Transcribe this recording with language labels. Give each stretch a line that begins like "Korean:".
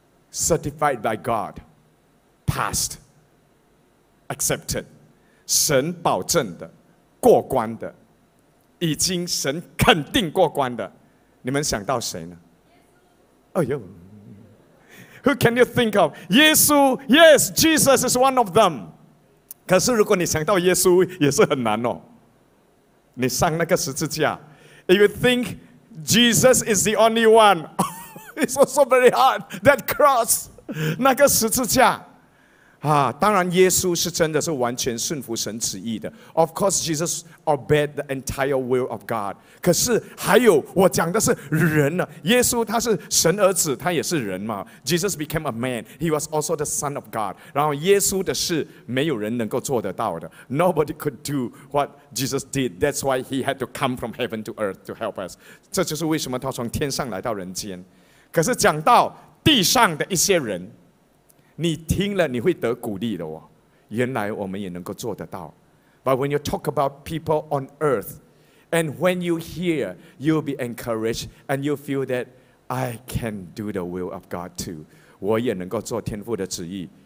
English: Certified by God， passed， accepted，
Chinese: 神保证的，过关的。已经神肯定过关的，你们想到谁呢？
English: 哎呦 ，Who can you think of？ 耶稣 ，Yes， Jesus is one of them。
Chinese: 可是如果你想到耶稣，也是很难哦。你上那个十字架
English: ，If you think Jesus is the only one， it's also very hard that cross，
Chinese: 那个十字架。啊，当然耶稣是真的是完全顺服神旨意的。
English: Of course, Jesus obeyed the entire will of God.
Chinese: 可是还有，我讲的是人呢。耶稣他是神儿子，他也是人嘛。
English: Jesus became a man. He was also the Son of God.
Chinese: 然后耶稣的事没有人能够做得到的。
English: Nobody could do what Jesus did. That's why he had to come from heaven to earth to help us.
Chinese: 这就是为什么他从天上来到人间。可是讲到地上的一些人，你听了你会得鼓励的哦，原来我们也能够做得到。
English: But when you talk about people on earth, and when you hear, you'll be encouraged, and you feel that I can do the will of God too.
Chinese: 我也能够做天父的旨意。